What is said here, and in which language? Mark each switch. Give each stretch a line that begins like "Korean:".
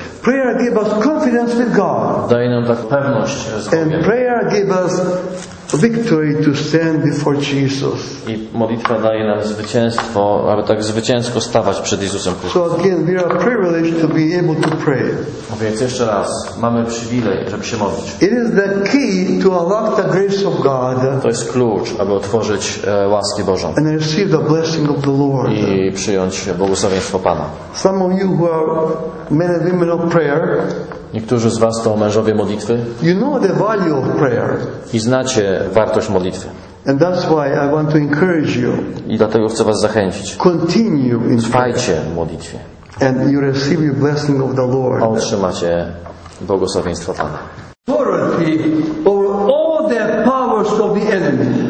English: Prayer gives us confidence with God.
Polish: Daje nam taką pewność z Bogiem.
English: And prayer gives us victory to stand before Jesus.
Polish: I modlitwa daje nam zwycięstwo, aby tak zwycięsko stawać przed Jezusem Chrystusem.
English: So again, we are privileged to be able to pray.
Polish: A więc jeszcze raz, mamy przywilej, żeby się modlić.
English: It is the key to unlock the grace of God.
Polish: To jest klucz, aby otworzyć łaskę Bożą.
English: And receive the blessing of the Lord.
Polish: I przyjąć błogosławieństwo Pana.
English: Some of you who are men and women of prayer.
Polish: Niektórzy z was to mężowie modlitwy.
English: You know the value of prayer.
Polish: I znacie wartość modlitwy.
English: And that's why I want to encourage you.
Polish: I dlatego chcę was zachęcić.
English: Continue in
Polish: trwajcie w modlitwie.
English: And you receive your blessing of the Lord.
Polish: Otrzymacie błogosławieństwo Pana.
English: authority over all the powers of the enemy.